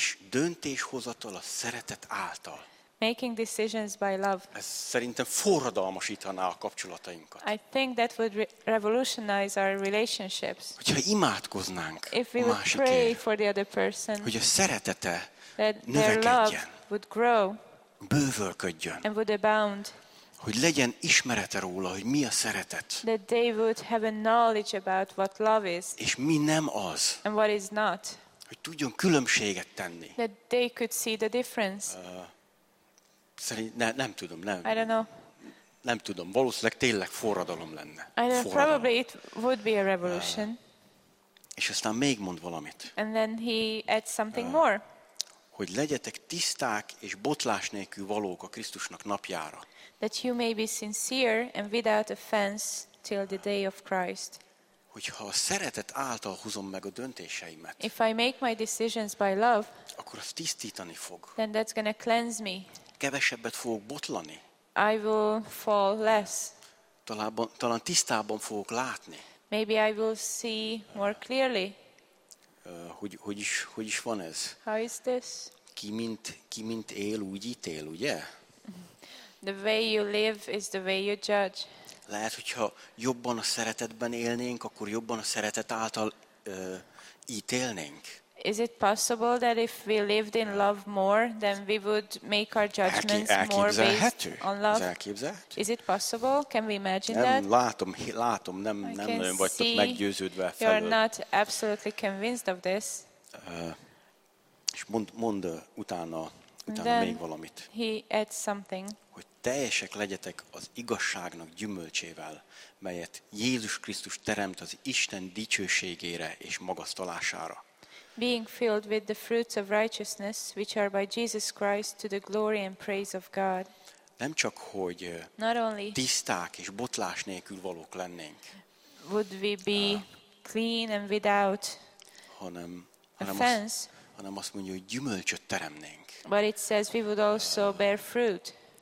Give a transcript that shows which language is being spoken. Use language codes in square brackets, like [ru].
[hu] Döntéshozatal a szeretet által. [en] Making decisions by love. [hu] Ez szerintem forradalmasítaná a kapcsolatainkat. [en] I think that would revolutionize our relationships. [hu] Hogyha imádkoznánk [en] if we would pray for the other person, [hu] hogy a szeretete növekedjen, [en] would grow, [hu] bővölködjön, [en] and would abound. [hu] Hogy legyen ismerete róla, hogy mi a szeretet. [en] That they would have a knowledge about what love is. [hu] És mi nem az. [en] And what is not. [hu] Hogy tudjon különbséget tenni. [en] That they could see the difference. [hu] Nem tudom. [en] I don't know. [hu] Nem tudom. Valószínűleg tényleg forradalom lenne. [en] I don't know. Probably it would be a revolution. [hu] És aztán még mond valamit. [en] And then he adds something more. [hu] Hogy legyetek tiszták és botlás nélkül valók a Krisztusnak napjára. [en] That you may be sincere and without offense till the day of Christ. [hu] Hogyha a szeretet által hozom meg a döntéseimet, [en] if I make my decisions by love, [hu] akkor az tisztítani fog. [en] Then that's gonna cleanse me. [hu] Kevesebbet fogok botlani. [en] I will fall less. [hu] Talán tisztában fogok látni. [en] Maybe I will see more clearly. [hu] Hogy is van ez? [en] How is this? [hu] Ki mint él, úgy ítél, ugye? [en] The way you live is the way you judge. [hu] Lehet, hogyha jobban a szeretetben élnénk, akkor jobban a szeretet által ítélnénk. [en] Is it possible that if we lived in love more, then we would make our judgments more based on love? Is it possible? Can we imagine [hu] nem, [en] that? [hu] Látom, nem nagyon vagytok meggyőződve felől. [en] You're not absolutely convinced of this. [hu] És mond utána még valamit. [en] He adds something. [hu] Hogy teljesek legyetek az igazságnak gyümölcsével, melyet Jézus Krisztus teremt az Isten dicsőségére és magasztalására. [en] Being filled with the fruits of righteousness, which are by Jesus Christ to the glory and praise of God. [hu] Nem csak, hogy [en] not only [hu] tiszták és botlás nélkül valók lennénk, [en] would we be clean and without offense, [hu] hanem azt mondja, hogy gyümölcsöt teremnénk. [en] But it says we would also bear fruit.